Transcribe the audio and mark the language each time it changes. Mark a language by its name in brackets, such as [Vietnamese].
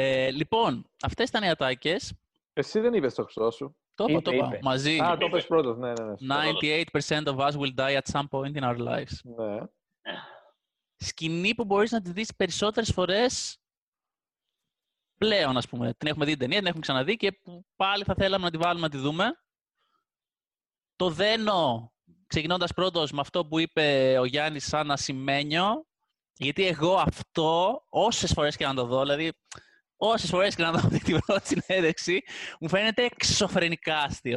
[Greek] Λοιπόν, αυτές ήταν οι ατάκες. Εσύ δεν είπες το χρυσό σου. Το είπα. Μαζί. Α, το είπες πρώτος, ναι. [English] 98% of us will die at some point in our lives. [Greek] Ναι. Σκηνή που μπορείς να τη δεις περισσότερες φορές πλέον, ας πούμε. Την έχουμε δει την ταινία, την έχουμε ξαναδεί και πάλι θα θέλαμε να τη βάλουμε να τη δούμε. Το δένω, ξεκινώντας πρώτος με αυτό που είπε ο Γιάννης σαν ασημένιο, γιατί εγώ αυτό, όσες φορές και να το δω, δηλαδή όσες φορές και να δω αυτή την πρώτη συνέντευξη, μου φαίνεται εξωφρενικά αστείο.